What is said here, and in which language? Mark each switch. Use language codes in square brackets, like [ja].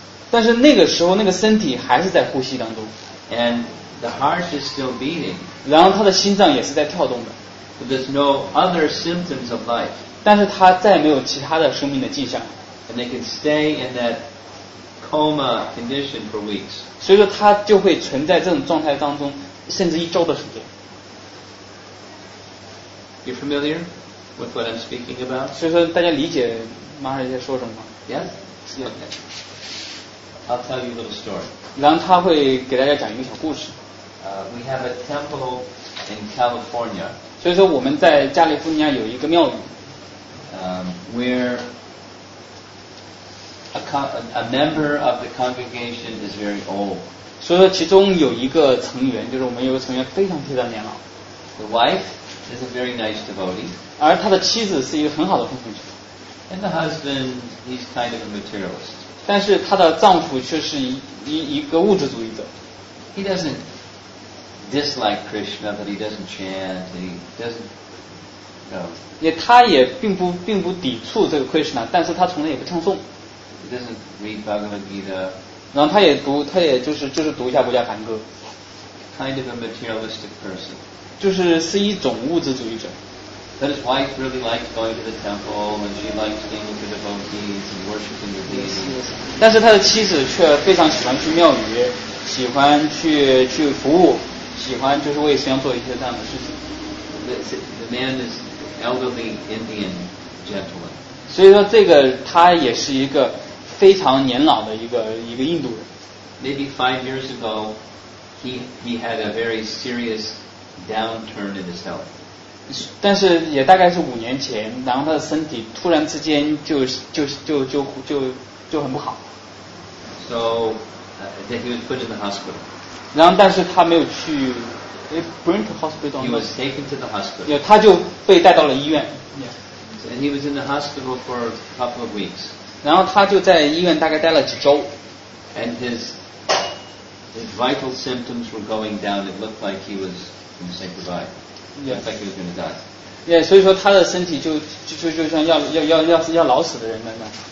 [zh] 但是那个时候那个身体还是在呼吸当中。 [en] And the heart is still beating. [zh] 然后他的心脏也是在跳动的。 [en] But there's no other symptoms of life. [zh] 但是他再也没有其他的生命的迹象。 [en] And they can stay in that coma condition for weeks. [zh] 所以说他就会存在这种状态当中，甚至一周的时间。 [en] You familiar with what I'm speaking about? [zh] 所以说大家理解马哈在说什么？ [en] Yes. Okay. I'll tell you a little story. [zh] 然后他会给大家讲一个小故事。 [en] We have a temple in California. [zh] 所以说我们在加利福尼亚有一个庙宇、 [en] where a member of the congregation is very old. [zh] 所以说其中有一个成员，就是我们有一个成员非常非常年老。 [en] The wife is a very nice devotee. [zh] 而他的妻子是一个很好的奉献者。 [en] And the husband, he's kind of a materialist. [zh] 但是他的丈夫却是一个物质主义者。 [en] He doesn't. Dislike Krishna, but he doesn't chant. He doesn't. [zh] 也他也并不抵触这个 Krishna， 但是他从来也不唱诵。 [en] He doesn't read Bhagavad Gita. [zh] 然后他也就是读一下国家梵歌。 [en] Kind of a materialistic person. [zh] 就是一种物质主义者。 [en] But his wife really likes going to the temple, and she likes being with the devotees and worshiping the deities. [zh] 但是他的妻子却非常喜欢去庙宇，喜欢去服务。喜欢就是为神做一些这样的事情。 [en] The man is elderly Indian gentleman. [zh] 所以说这个他也是一个非常年老的一个印度人。 [en] Maybe 5 years ago, he had a very serious downturn in his health. [zh] 但是也大概是5年前，然后他的身体突然之间就很不好。 [en] So, then he was put in the hospital. [zh] 然后但是他没有去 [en] bring to hospital. He was taken to the hospital. [zh] 他就被带到了医院。 [en] Yeah. And he was in the hospital for a couple of weeks. [zh] 然后他就在医院大概待了几周。 [en] And his vital symptoms were going down. It looked like he was going to say goodbye. Yes. Like he was going to die. [zh] Yeah, 所以说他的身体就像要老死的人那样。